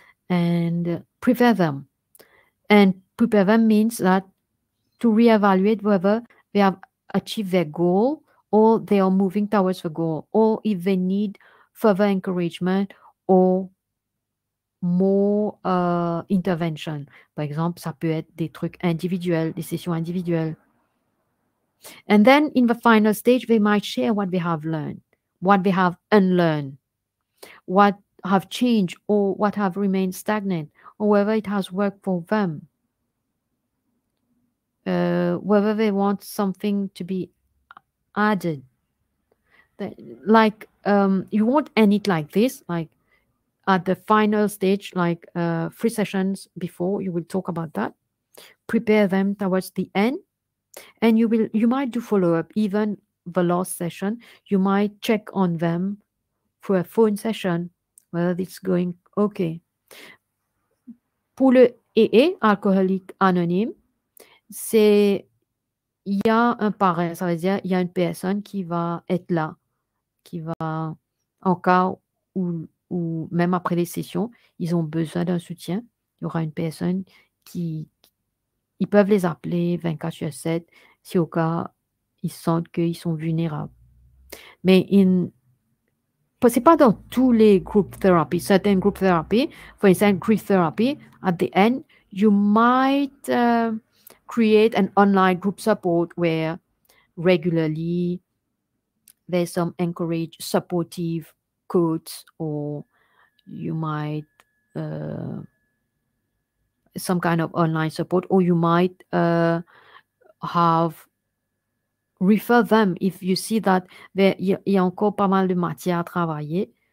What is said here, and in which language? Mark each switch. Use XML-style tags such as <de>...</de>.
<en>And prepare them. And prepare them means that to reevaluate whether they have achieved their goal or they are moving towards the goal, or if they need further encouragement or more intervention. For example,</en> <fr>ça peut être des trucs individuels, des sessions individuelles.</fr> <en>And then in the final stage, they might share what they have learned, what they have unlearned, what have changed or what have remained stagnant, or whether it has worked for them, whether they want something to be added. You won't end it like this, like at the final stage, like 3 sessions before, you will talk about that, prepare them towards the end, and you might do follow-up. Even the last session, you might check on them for a phone session, whether it's going okay.</en> <fr>Pour le AA, alcoolique anonyme, c'est il y a un parrain, ça veut dire il y a une personne qui va être là, qui va, en cas où même après les sessions, ils ont besoin d'un soutien, il y aura une personne qui ils peuvent les appeler 24/7 si au cas ils sentent qu'ils sont vulnérables. Mais ce n'est pas dans tous les group therapy.</fr> <en>Certains group therapy, for instance, grief therapy, at the end, you might create an online group support where regularly there's some encourage supportive quotes, or you might some kind of online support, or you might have refer them if you see that there</en> <fr>y a encore pas mal de matière à travailler.</fr>